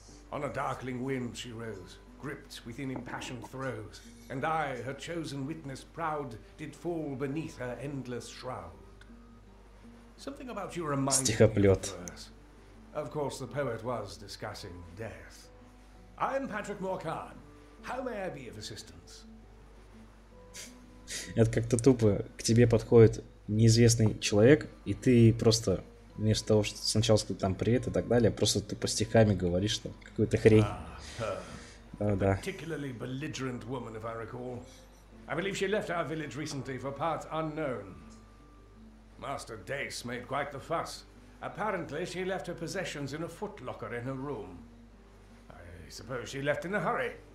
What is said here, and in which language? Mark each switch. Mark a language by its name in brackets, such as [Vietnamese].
[English] On a darkling wind she rose, gripped within impassioned throes, and I, her chosen witness proud, did fall beneath her endless shroud. Something about you reminds me of yours. Of course, the poet was discussing death. I'm Patrick Morcan. How may I be of assistance? [Russian] Это как-то тупо. К тебе подходит неизвестный человек, и ты просто вместо того, что сначала сказать там привет и так далее, просто тупо стихами говоришь, что какую-то хрень. Да. [English] Particularly belligerent woman, if I recall. I believe she left our village recently for parts unknown. Master Dace made quite the fuss. Apparently, she left her possessions in a footlocker in her room. I suppose she left in a hurry.